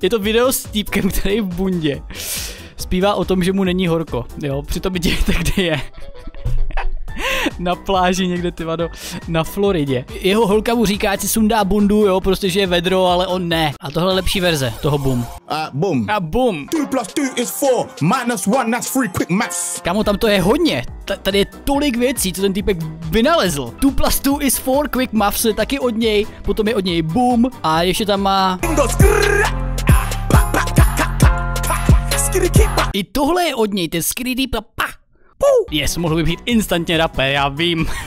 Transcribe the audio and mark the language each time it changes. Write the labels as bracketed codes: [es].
[cs] Je to video s týpkem, který je v bundě. Zpívá o tom, že mu není horko, jo, přitom dějte, kde je. Na pláži někde, ty vado, na Floridě. Jeho holka mu říká, ať si sundá bundu, jo, prostě že je vedro, ale on ne. A tohle je lepší verze, toho boom. A boom. [en] 2 plus 2 is 4, minus 1, that's 3, quick maths. [cs] Kamo, tam to je hodně. Tady je tolik věcí, co ten týpek vynalezl. [en] 2 plus 2 is 4, quick maths [cs] je taky od něj, potom je od něj boom. A ještě tam má... I tohle je od něj, ten skrýdý pa. Yes, mohl by být instantně rapper, já vím.